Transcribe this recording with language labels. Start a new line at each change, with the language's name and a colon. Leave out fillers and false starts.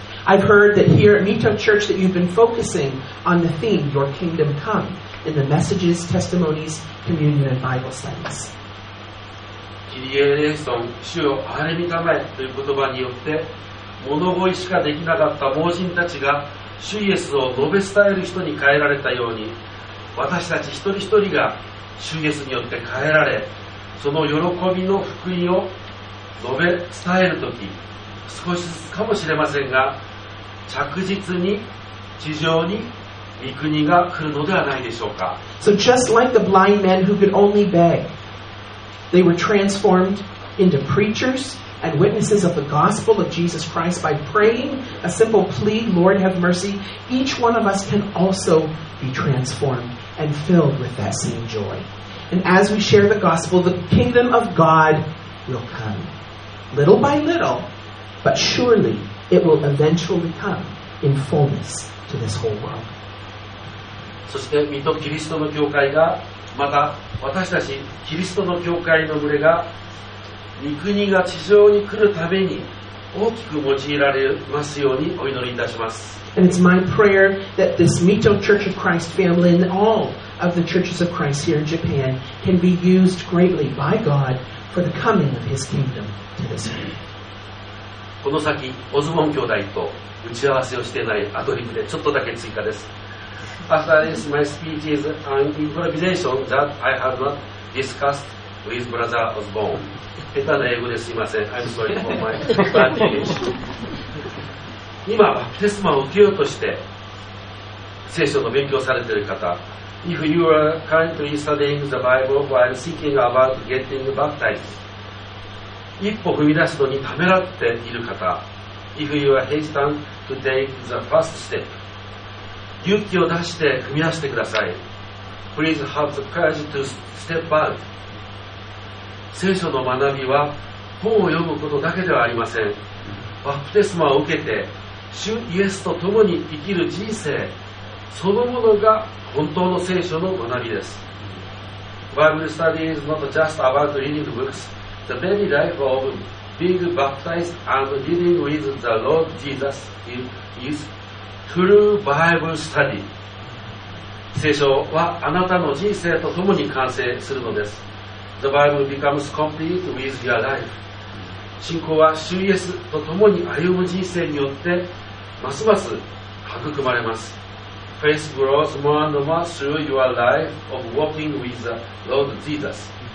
English: I've heard that here at Mito Church that you've been focusing on the theme Your Kingdom Come in the messages, testimonies, communion and Bible studies.
Japanese: キリエレイソン、主を憐れみたまえという言葉によって、物乞いしかできなかった盲人たちが主イエスを述べ伝える人に変えられたように、私たち一人一人が主イエスによって変えられ、その喜びの福音を述べ伝えるとき、少しずつかもしれませんが着実に地上に御国が来るのではないでしょうか。
English: So just like the blind men who could only beg, they were transformed into preachers and witnesses of the gospel of Jesus Christ by praying a simple plea, Lord have mercy. Each one of us can also be transformedAnd filled with that same joy. And as we share the gospel, the kingdom of God will come. Little by little, but surely it will eventually come in fullness to this whole world.
Japanese: そして水戸キリストの教会が、また私たちキリストの教会の群れが、御国が地上に来るために大きく用いられますようにお祈りいたします。
English: And it's my prayer that this Mito Church of Christ family and all of the churches of Christ here in Japan can be used greatly by God for the coming of His kingdom to this world.
Japanese: この先、オズボン兄弟と打ち合わせをしていないアドリブでちょっとだけ追加です。
English: After this, my speech is an improvisation that I have not discussed with Brother Osborne.
Japanese: 下手な英語ですいません。
English: I'm sorry for my bad English.
Japanese: 今バプテスマを受けようとして聖書の勉強をされている方、
English: If you are currently studying the Bible while thinking about getting baptized,
Japanese: 一歩踏み出すのにためらっている方、
English: If you are hesitant to take the first step,
Japanese: 勇気を出して踏み出してください。
English: Please have the courage to step out.
Japanese: 聖書の学びは本を読むことだけではありません。バプテスマを受けて主イエスと共に生きる人生そのものが本当の聖書の学びです。
English: Bible study is not just about reading books. The daily life of being baptized and dealing with the Lord Jesus is true Bible study.
Japanese: 聖書はあなたの人生と共に完成するのです。
English: The Bible becomes complete with your life.
Japanese: 信仰は主イエスと共に歩む人生によってますます育まれます。
English: Faith grows more and more through your life of walking with the Lord Jesus。